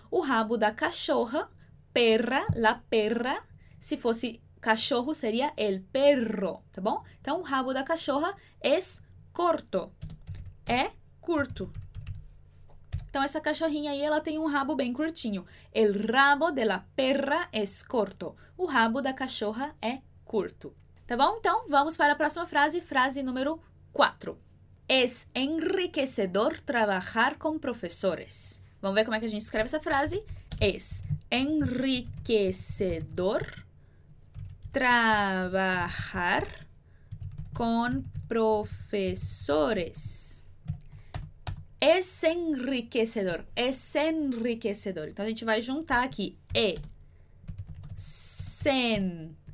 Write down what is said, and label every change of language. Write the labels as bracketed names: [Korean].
[Portuguese] O rabo da cachorra, perra, [Spanish] la perra. [Portuguese] Se fosse cachorro, seria [Spanish] el perro, [Portuguese] tá bom? Então, o rabo da cachorra [Spanish] es corto. [Portuguese] É curto. Então, essa cachorrinha aí, ela tem um rabo bem curtinho. [Spanish] El rabo de la perra es corto. [Portuguese] O rabo da cachorra é curto. Tá bom? Então, vamos para a próxima frase. Frase número 4. [Spanish] Es enriquecedor trabajar con profesores. [Portuguese] Vamos ver como é que a gente escreve essa frase. [Spanish] Es enriquecedor trabajar con profesores. Es enriquecedor. Es enriquecedor. [Portuguese] Então, a gente vai juntar aqui. E, sen.